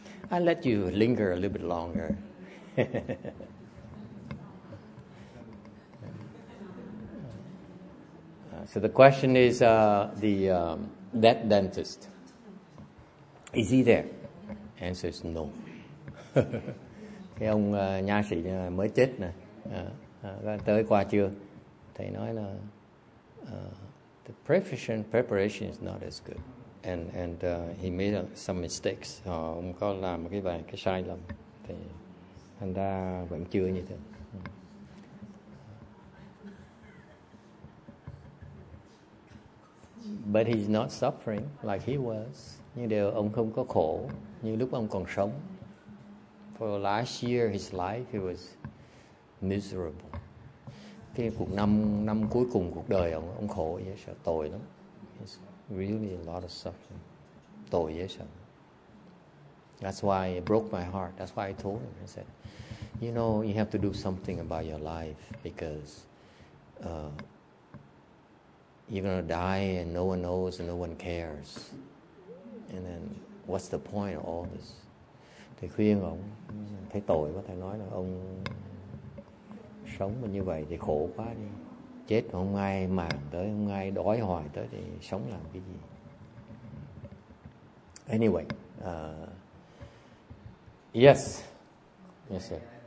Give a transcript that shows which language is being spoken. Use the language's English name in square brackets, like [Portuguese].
[English] I let you linger a little bit longer. So the question is that dentist, is he there? Answer is no. [Vietnamese] Cái ông nha sĩ mới chết nè, tới qua chưa? Thầy nói là [English] the preparation is not as good, and he made some mistakes. [Vietnamese] Ông có làm cái vài cái sai lầm, thì anh ta vẫn chưa như thế. [English] But he's not suffering like he was. [Vietnamese] Nhưng đều ông không có khổ như lúc ông còn sống. [English] For the last year of his life, he was miserable. [Vietnamese] Cái cuộc năm cuối cùng cuộc đời ông khổ dễ sợ, tồi lắm. [English] It's really a lot of suffering. [Vietnamese] Tồi dễ sợ. [English] That's why it broke my heart. That's why I told him. I said, you know, you have to do something about your life because you're going to die and no one knows and no one cares. And then what's the point of all this? [Vietnamese] Thầy khuyên ông, thấy tội quá, thầy nói là ông sống mà như vậy thì khổ quá đi. Chết mà không ai màng tới, không ai đói hoài tới thì sống làm cái gì? [English] Anyway, yes. Yes, sir.